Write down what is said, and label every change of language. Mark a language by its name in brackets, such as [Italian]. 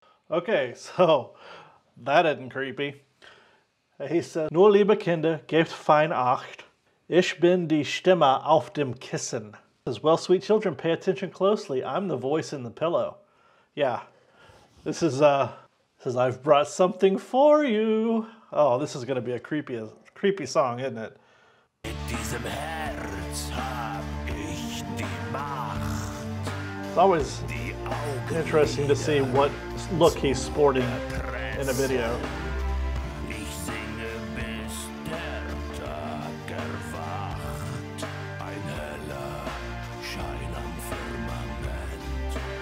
[English] Okay, so that isn't creepy. He said, [German] "Nur liebe Kinder, gebt fein acht. Ich bin die Stimme auf dem Kissen." [English] As well, sweet children, pay attention closely. I'm the voice in the pillow. Yeah, this is says I've brought something for you. Oh, this is gonna be a creepy song, isn't it? [German] In diesem Herz hab ich die Macht. [English] It's always interesting to see what look he's sporting in a video. [German] Ich singe bis der Tag erwacht, ein heller Schein am Firmament.